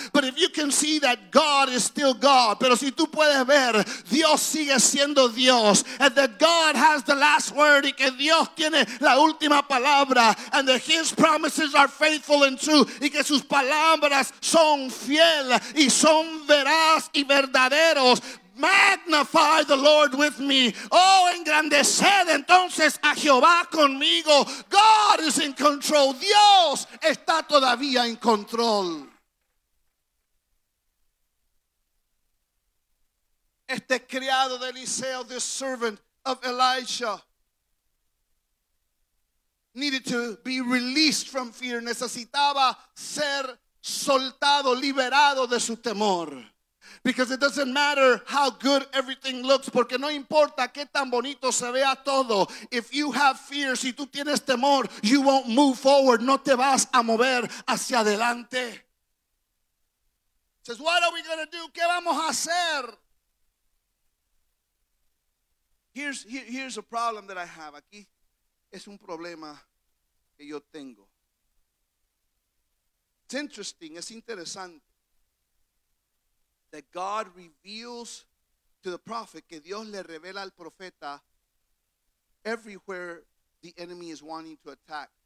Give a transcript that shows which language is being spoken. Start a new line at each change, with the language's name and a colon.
English: But if you can see that God is still God,
Spanish: pero si tú puedes ver, Dios sigue siendo Dios,
English: and that God has the last word,
Spanish: y que Dios tiene la última palabra,
English: and that his promises are faithful and true,
Spanish: y que sus palabras son fiel y son veraz y verdaderos,
English: magnify the Lord with me.
Spanish: Oh, engrandeced entonces a Jehová conmigo.
English: God is in control.
Spanish: Dios está todavía en control. Este criado de Eliseo,
English: this servant of Elisha, needed to be released from fear.
Spanish: Necesitaba ser soltado, liberado de su temor.
English: Because it doesn't matter how good everything looks,
Spanish: porque no importa qué tan bonito se vea todo.
English: If you have fear,
Spanish: si tú tienes temor,
English: you won't move forward.
Spanish: No te vas a mover hacia adelante.
English: Says, what are we going to do?
Spanish: ¿Qué vamos a hacer?
English: Here's a problem that I have.
Spanish: Aquí es un problema que yo tengo.
English: It's interesting.
Spanish: Es interesante.
English: That God reveals to the prophet,
Spanish: que Dios le revela al profeta,
English: everywhere the enemy is wanting to attack.